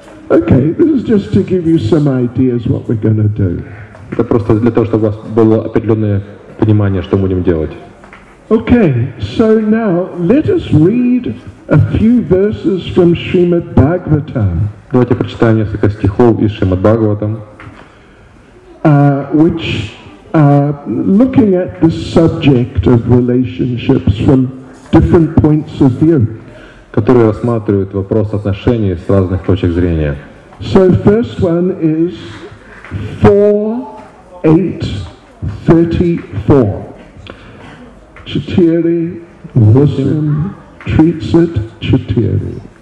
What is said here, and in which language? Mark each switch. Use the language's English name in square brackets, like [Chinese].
[English] Okay, this is just to give you some ideas what we're going to do. [Russian] Это просто для того, чтобы у вас было определенное понимание, что мы будем делать. [English] Okay, so now let us read a few verses from Srimad Bhagavatam. [Russian] Давайте прочитаем несколько стихов из Шримад Бхагаватам. [English] Which, looking at the subject of relationships from different points of view. [Russian] Которые рассматривают вопрос отношений с разных точек зрения. [English] So first one is 4.8.34. Chatiri, Vusim, Tritsit, Chatiri.